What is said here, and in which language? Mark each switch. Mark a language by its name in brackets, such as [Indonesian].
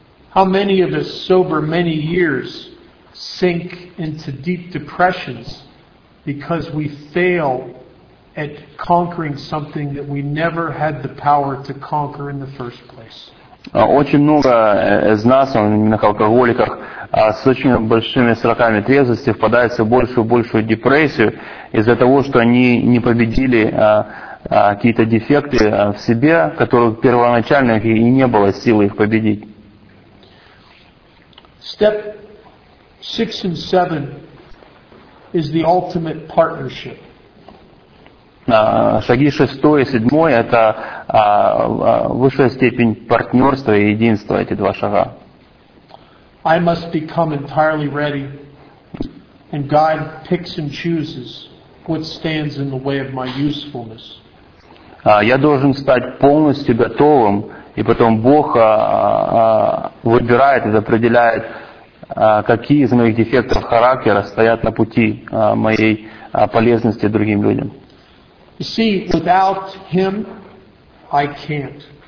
[English] How many of us sober many years sink into deep depressions because we fail at conquering something that we never had the power to conquer in the first place. [Russian] Очень много из нас, именно алкоголиков, с очень большими сроками трезвости впадают все больше и больше в депрессию из-за того, что они не победили какие-то дефекты в себе, которых первоначально и не было силы их победить. [English] Step 6 and 7 is the ultimate partnership. [Russian] Шаги 6 и 7 — это высшая степень партнерства и единства, эти два шага. [English] I must become entirely ready, and God picks and chooses what stands in the way of my usefulness. [Russian] Я должен стать полностью готовым, и потом Бог выбирает и определяет, какие из моих дефектов характера стоят на пути моей полезности другим людям. [English] You see, without him, I can't.